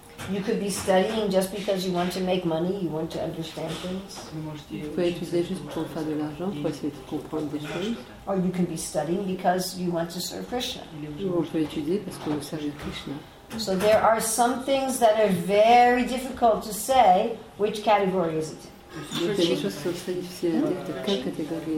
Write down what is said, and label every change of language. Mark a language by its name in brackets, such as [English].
[English] You could be studying just because you want to make money, you want to understand things. [French] Vous pouvez étudier juste pour faire de l'argent, pour essayer de comprendre des choses. [English] Or you can be studying because you want to serve Krishna. [French] Ou on peut étudier parce qu'on veut servir Krishna. [English] So there are some things that are very difficult to say, which category is it? [French] Donc, il y a des choses qui sont très difficiles à dire. De quelle catégorie?